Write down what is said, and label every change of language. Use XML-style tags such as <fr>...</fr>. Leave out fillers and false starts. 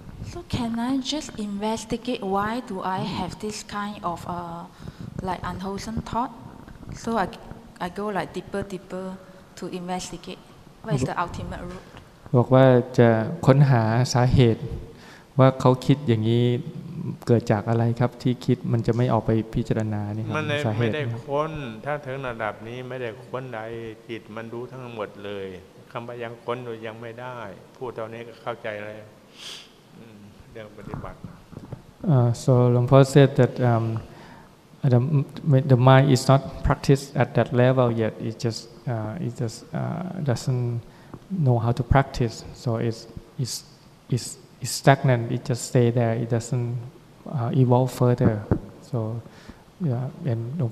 <en>so can I just investigate why do I have this kind of like unwholesome thought so I go like deeper to investigate what is the ultimate root</en> <th>บอกว่าจะค้นหาสาเหตุว่าเขาคิดอย่างนี้เกิดจากอะไรครับที่คิดมันจะไม่ออกไปพิจารณาเนี่ย มันไม่ได้ค้นถ้าถึงระดับนี้ไม่ได้ค้นใดจิตมันรู้ทั้งหมดเลยคำว่ายังค้นอยู่ยังไม่ได้พูดตอนนี้ก็เข้าใจแล้วเรื่องปฏิบัติ</th> <en>so Lompo said that the mind is not practiced at that level yet it just doesn't know how to practice so it's stagnant it just stay there it doesn'tevolve further so yeah and Dr.</en>